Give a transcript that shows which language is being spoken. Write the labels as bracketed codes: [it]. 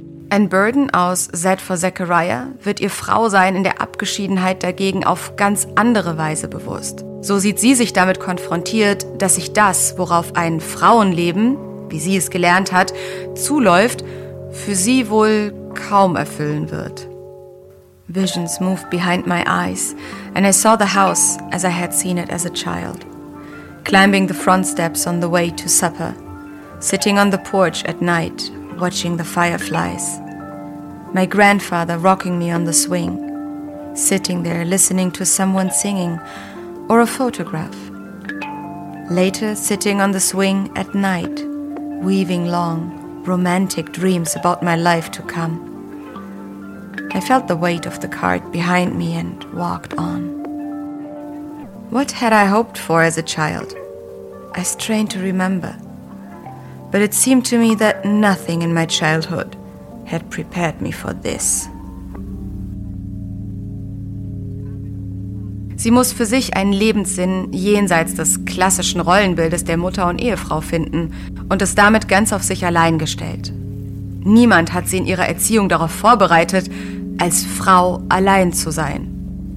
[de] Anne Burden aus Sad for Zachariah wird ihr Frausein in der Abgeschiedenheit dagegen auf ganz andere Weise bewusst. So sieht sie sich damit konfrontiert, dass sich das, worauf ein Frauenleben, wie sie es gelernt hat, zuläuft, für sie wohl kaum erfüllen wird. [en] Visions moved behind my eyes, and I saw the house as I had seen it as a child. Climbing the front steps on the way to supper, sitting on the porch at night, watching the fireflies. My grandfather rocking me on the swing, sitting there listening to someone singing or a photograph. Later, sitting on the swing at night, weaving long, romantic dreams about my life to come. I felt the weight of the cart behind me and walked on. What had I hoped for as a child? I strained to remember. But it seemed to me that nothing in my childhood had prepared me for this. [de] Sie muss für sich einen Lebenssinn jenseits des klassischen Rollenbildes der Mutter und Ehefrau finden und ist damit ganz auf sich allein gestellt. Niemand hat sie in ihrer Erziehung darauf vorbereitet, als Frau allein zu sein.